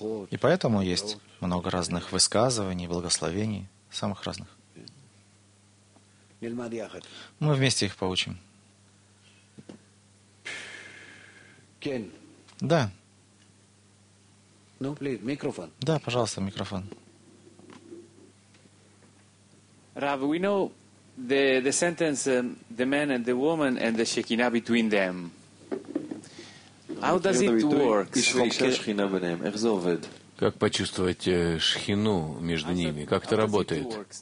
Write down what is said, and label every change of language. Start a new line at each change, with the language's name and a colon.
Russian: И поэтому есть много разных высказываний, благословений, самых разных. Мы вместе их поучим. Да. Ну, плиз, микрофон. Да, пожалуйста, микрофон.
English: Rav, we know the sentence the man and the woman and the Shekinah between them. How does it work?
Russian: Как почувствовать Шхину между ними? Как это работает?